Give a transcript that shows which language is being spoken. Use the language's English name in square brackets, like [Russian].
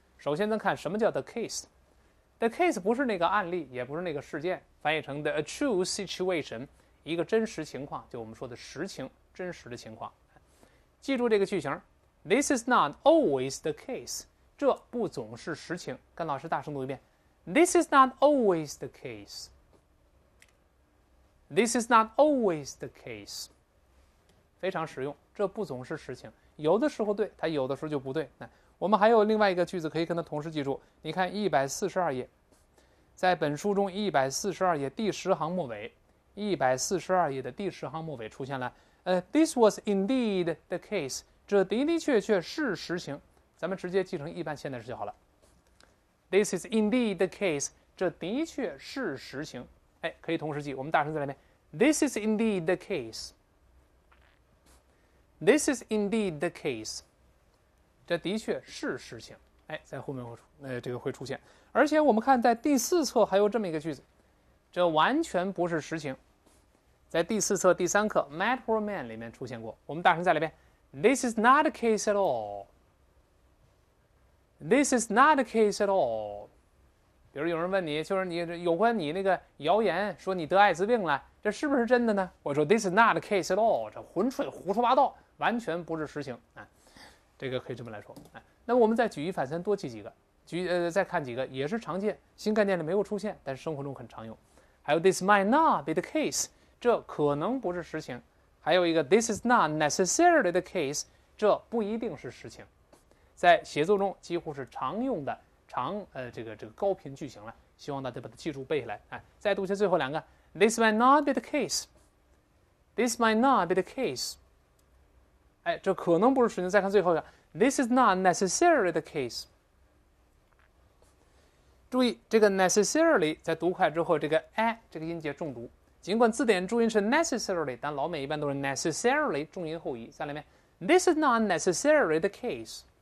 [Chinese] 首先，咱看什么叫 the case。the case 不是那个案例，也不是那个事件，翻译成 the true situation， 一个真实情况，就我们说的实情，真实的情况。记住这个句型 ， [English] this is not always the case， [Chinese] 这不总是实情。跟老师大声读一遍 ， [English] this is not always the case。 This is not always the case. [Chinese] 非常实用，这不总是实情，有的时候对，它有的时候就不对。那我们还有另外一个句子可以跟它同时记住。你看142页，在本书中142页第十行末尾，142页的第十行末尾出现了 [English] This was indeed the case. [Chinese] 这的的确确是实情。咱们直接记成一般现在时就好了。 [English] This is indeed the case. [Chinese] 这的确是实情。哎，可以同时记，我们大声再来一遍。 [English] This is indeed the case. This is indeed the case. [Chinese] 这的确是实情。哎，在后面这个会出现。而且我们看，在第四册还有这么一个句子，这完全不是实情。在第四册第三课《Mad Poor Man》里面出现过。我们大声再来一遍。 [English] This is not the case at all. This is not the case at all. [Chinese] 比如有人问你，就是你有关你那个谣言，说你得艾滋病了，这是不是真的呢？我说 [English] This is not the case at all， [Chinese] 这浑吹胡说八道，完全不是实情啊。这个可以这么来说啊。那我们再举一反三，多记几个，再看几个也是常见，新概念里没有出现，但生活中很常用。还有 [English] This might not be the case， [Chinese] 这可能不是实情。还有一个 [English] This is not necessarily the case， [Chinese] 这不一定是实情。在写作中几乎是常用的。这个高频句型了，希望大家把它记住背下来。哎，再读一下最后两个 [English] ，This might not be the case. This might not be the case. [Chinese] 哎，这可能不是实情。再看最后一个 ， [English] This is not necessarily the case. [Chinese] 注意这个 necessarily 在读快之后，这个 a 这个音节重读。尽管字典注音是 necessarily， 但老美一般都是 necessarily 重音后移。再来一遍 ， [English] This is not necessarily the case.